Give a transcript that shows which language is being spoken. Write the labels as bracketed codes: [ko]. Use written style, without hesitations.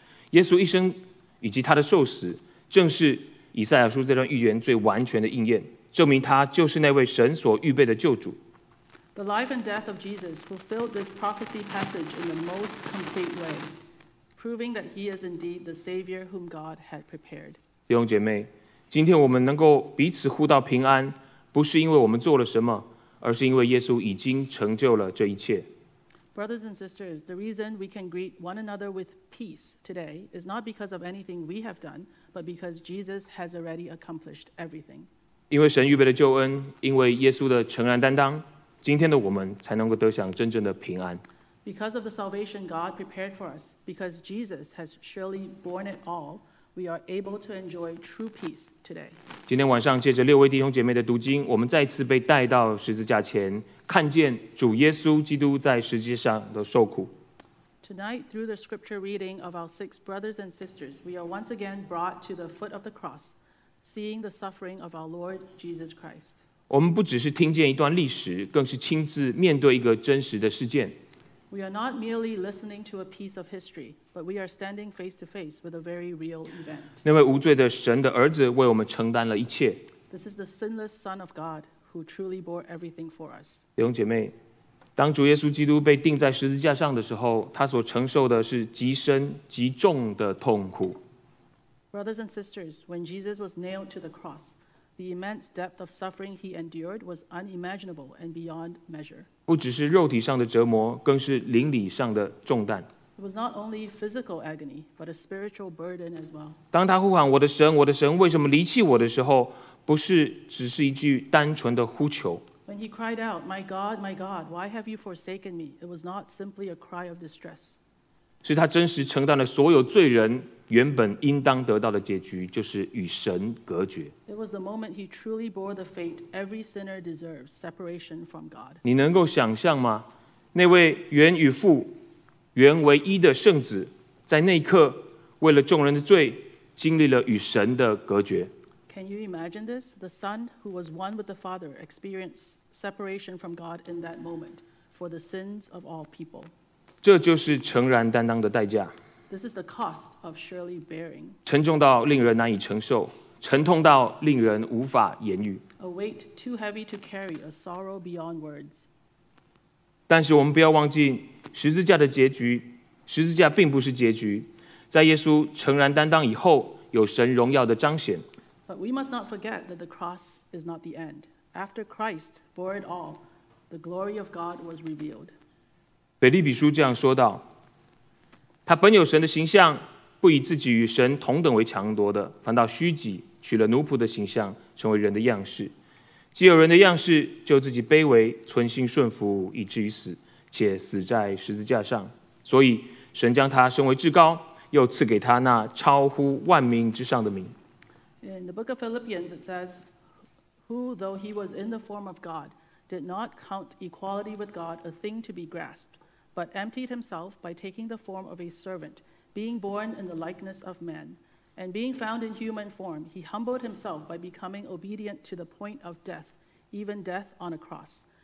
[zh] 耶稣一生以及他的受死，正是以赛亚书这段预言最完全的应验，证明他就是那位神所预备的救主。 [en] The life and death of Jesus fulfilled this prophecy passage in the most complete way. Proving that he is indeed the Savior whom God had prepared. [zh] 弟兄姐妹，今天我们能够彼此互道平安，不是因为我们做了什么，而是因为耶稣已经成就了这一切。 [en] Brothers and sisters, the reason we can greet one another with peace today is not because of anything we have done, but because Jesus has already accomplished everything. [zh] 因为神预备的救恩，因为耶稣的诚然担当，今天的我们才能够得享真正的平安。 [en] Because of the salvation God prepared for us, because Jesus has surely borne it all, we are able to enjoy true peace today. [zh] 今天晚上借着六位弟兄姐妹的读经，我们再次被带到十字架前，看见主耶稣基督在十字架上的受苦。 [en] Tonight, through the scripture reading of our six brothers and sisters, we are once again brought to the foot of the cross, seeing the suffering of our Lord Jesus Christ. [zh] 我们不只是听见一段历史，更是亲自面对一个真实的事件。 [en] We are not merely listening to a piece of history, but we are standing face to face with a very real event. [zh] 那位无罪的神的儿子为我们承担了一切。 [en] This is the sinless Son of God who truly bore everything for us. [zh] 弟兄姐妹，当主耶稣基督被钉在十字架上的时候，他所承受的是极深极重的痛苦。 [en] Brothers and sisters, when Jesus was nailed to the cross, the immense depth of suffering he endured was unimaginable and beyond measure. [zh] 不只是肉体上的折磨，更是灵里上的重担。 [en] It was not only physical agony, but a spiritual burden as well. [zh] 当他呼喊我的神，我的神，为什么离弃我的时候，不是只是一句单纯的呼求。 [en] When he cried out, "My God, my God, why have you forsaken me?" It was not simply a cry of distress. [zh] 是他真实承担了所有罪人原本应当得到的结局，就是与神隔绝。 [en] It was the moment he truly bore the fate every sinner deserves, separation from God. [zh] 你能够想象吗？那位原与父、原为一的圣子，在那一刻为了众人的罪，经历了与神的隔绝。 [en] Can you imagine this? The Son, who was one with the Father, experienced separation from God in that moment for the sins of all people. [zh] 这就是诚然担当的代价。 [en] This is the cost of surely bearing. [zh] 沉重到令人难以承受，沉痛到令人无法言喻。 [en] A weight too heavy to carry, a sorrow beyond words. [zh] 但是我们不要忘记，十字架的结局，十字架并不是结局。在耶稣诚然担当以后，有神荣耀的彰显。 [en] But we must not forget that the cross is not the end. After Christ bore it all, the glory of God was revealed. [zh] 腓立比书这样说道，他本有神的形象，不以自己与神同等为强夺的，反倒虚己，取了奴仆的形象，成为人的样式。既有人的样式，就自己卑微，存心顺服，以至于死，且死在十字架上。所以神将他升为至高，又赐给他那超乎万民之上的名。 [en] In the book of Philippians, it says, Who, though he was in the form of God, did not count equality with God a thing to be grasped, but emptied himself by taking the form of a servant, being born in the likeness of men. And being found in human form, he humbled himself by becoming obedient to the point of death, even death on a cross.